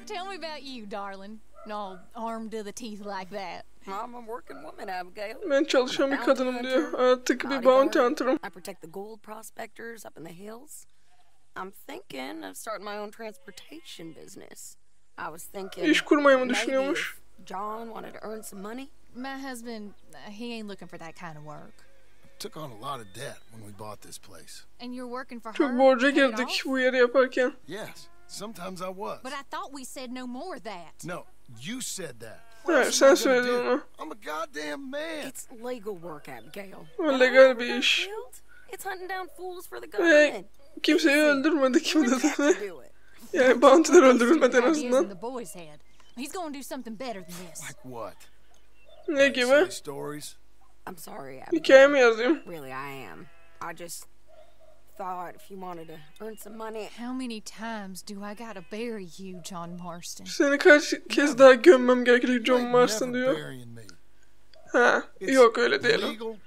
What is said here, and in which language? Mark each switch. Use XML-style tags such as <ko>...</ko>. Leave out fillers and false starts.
<en>Tell me about you, darling. No, armed to the teeth like that. I'm a working woman, Abigail.</en> <tr>Ben çalışan bir kadınım diyor. Artık bir bounty hunter'ım.</tr> <en>I protect the gold prospectors up in the hills. I'm thinking of starting my own transportation business. I was thinking.</en> <tr>İş kurmayı mı düşünüyormuş?</tr> <en>John wanted to earn some money. My husband, he ain't looking for that kind of work. Took on a lot of debt when we bought this place. And you're working for her?</en> <tr>Çok borca girdik bu yeri yaparken.</tr> <en>Yes, sometimes I was. But I thought we said no more of that. No, you said that.</en> <tr>Evet, sen söyledin onu.</tr> <en>I'm a goddamn man. It's legal work, Abigail.</en> <tr>Legal bir iş.</tr> <en>It's hunting down fools for the government.</en> <tr>Kimseyi öldürmedik mi dedi? Yani bounty'ları öldürülmedi en azından.</tr> <en>He's going to do something better than this. Like what?</en> <tr>Ne gibi?</tr> <en>I'm sorry.</en> <tr>Hikaye mi yazayım?</tr> <en>Really, I am. I just thought if you wanted to earn some money. How many times do I gotta bury you, John Marston?</en> <tr>Seni kaç kez daha gömmem gerekecek John Marston diyor. Ha, yok öyle değil.</tr>